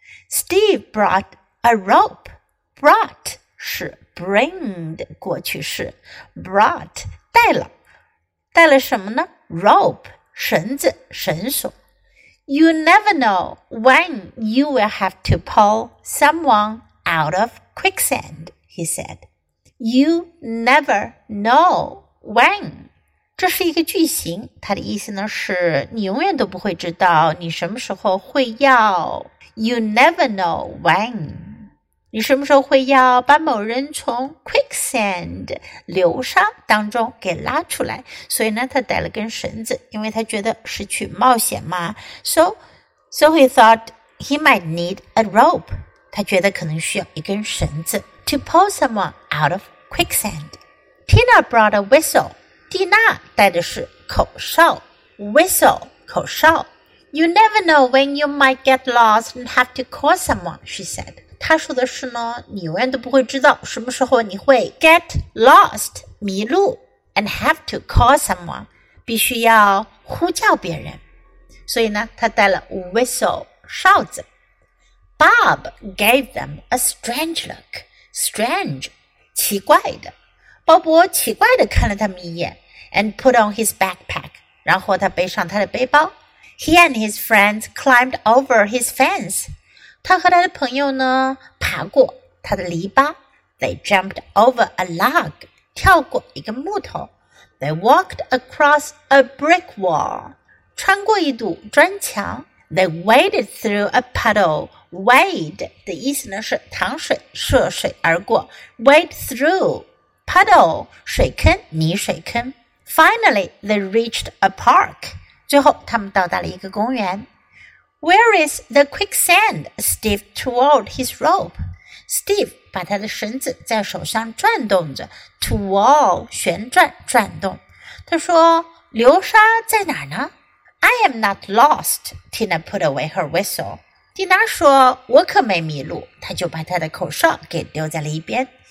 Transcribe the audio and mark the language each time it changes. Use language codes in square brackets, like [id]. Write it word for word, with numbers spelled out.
[en] Steve brought a rope. [zh] Brought 是 bring 的过去式 brought 带了带了什么呢 rope 绳子绳索。 [en] You never know when you will have to pull someone out of quicksand, he said. You never know when. [zh] 这是一个句型，它的意思呢是你永远都不会知道你什么时候会要。 [en] You never know when. [zh] 你什么时候会要把某人从 quicksand 流沙当中给拉出来。所以呢，他带了根绳子，因为他觉得是去冒险嘛。 [en] So, so he thought he might need a rope. [zh] 他觉得可能需要一根绳子 [en] to pull someone out of quicksand. Tina brought a whistle. [zh] 蒂娜带的是口哨 whistle, 口哨。 [en] You never know when you might get lost and have to call someone, she said. [zh] 她说的是呢，你永远都不会知道什么时候你会 [en] get lost, [zh] 迷路 [en] and have to call someone, [zh] 必须要呼叫别人。所以呢，她带了 whistle, 哨子。 [en] Bob gave them a strange look. [zh] Strange, 奇怪的。鲍勃奇怪的看了他们一眼 [en] and put on his backpack. [zh] 然后他背上他的背包。 [en] He and his friends climbed over his fence. [zh] 他和他的朋友呢，爬过他的篱笆。 [en] They jumped over a log. [zh] 跳过一个木头。 [en] They walked across a brick wall. [zh] 穿过一堵砖墙。 [en] They waded through a puddle. [zh] Wade 的意思呢是淌水涉水而过 [en] Wade through Puddle [zh] 水坑泥水坑 [en] Finally they reached a park [zh] 最后他们到达了一个公园 [en] Where is the quicksand? Steve twirled his rope [zh] Steve 把他的绳子在手上转动着 Twirl 旋转转动他说流沙在哪呢 [en] I am not lost Tina put away her whistle [zh] 蒂娜说我可没迷路他就把他的口哨给丢在了一边